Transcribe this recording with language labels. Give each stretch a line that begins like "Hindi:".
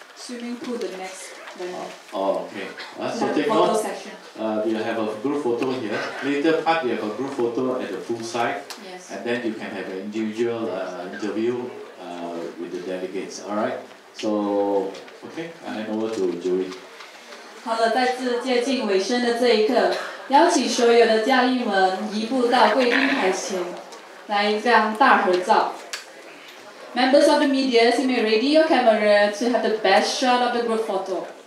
English: Swimming pool the next day. Oh, okay. So have take photo note. Session. We will have a group photo here. Later part, we have a group photo at the pool side. And then you can have an individual interview with the delegates, all right? So, okay, I hand over to Joey.
Chinese: 好了，在这接近尾声的这一刻，邀请所有的嘉宾们移步到贵宾台前，来一张大合照。
English: Members of the media, you may ready your camera to have the best shot of the group photo.